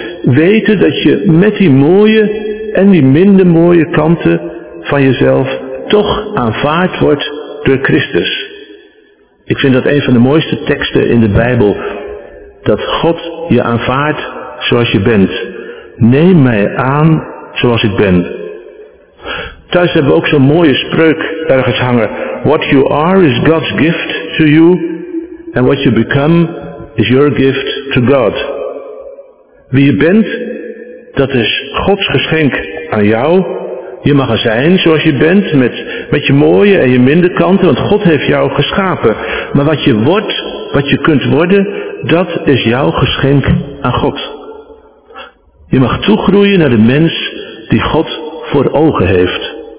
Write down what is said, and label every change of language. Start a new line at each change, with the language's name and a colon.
Dutch: Weten dat je met die mooie en die minder mooie kanten van jezelf toch aanvaard wordt door Christus. Ik vind dat een van de mooiste teksten in de Bijbel, dat God je aanvaardt zoals je bent. Neem mij aan zoals ik ben. Thuis hebben we ook zo'n mooie spreuk ergens hangen.
English: What you are is God's gift to you. And what you become is your gift to God.
Dutch: Wie je bent, dat is Gods geschenk aan jou. Je mag er zijn zoals je bent, met je mooie en je minder kanten. Want God heeft jou geschapen. Maar wat je wordt, wat je kunt worden, dat is jouw geschenk aan God. Je mag toegroeien naar de mens die God voor ogen heeft.